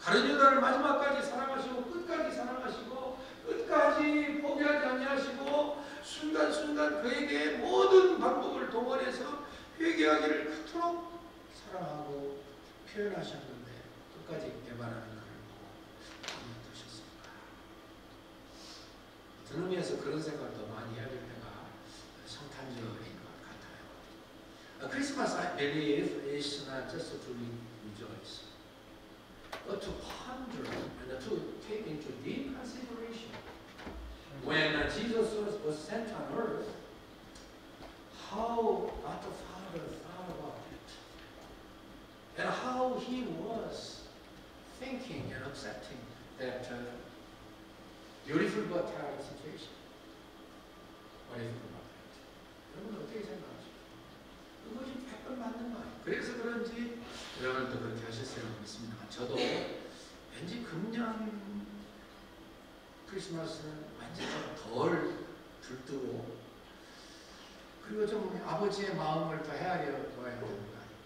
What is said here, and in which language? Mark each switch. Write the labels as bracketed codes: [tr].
[ko] 가룟 유다를 마지막까지 사랑하시고 끝까지 사랑하시고 끝까지 포기하지 아니하시고 순간순간 그에게 모든 방법을 동원해서 회개하기를 그토록 사랑하고 표현하셨는데 끝까지 개발하는 것을 보고 마음이 어떠셨습니까? 어떤 의미에서 그런 생각도 많이 해야 될 때가 성탄절인 것 같아요. [en] Christmas, I believe, is not just to rejoice, but to ponder and to take into deep consideration. When Jesus was sent on earth, how God the Father thought about and how he was thinking and accepting that beautiful but terrible situation. What do you think about that? [ko] 여러분 어떻게 생각하십니까? 그것이 100번 맞는 말. 그래서 그런지 여러분도 그렇게 하셨으면 믿습니다. 저도 왠지 금년 크리스마스는 완전히 덜 들뜨고 그리고 좀 아버지의 마음을 더 헤아려봐야 합니다.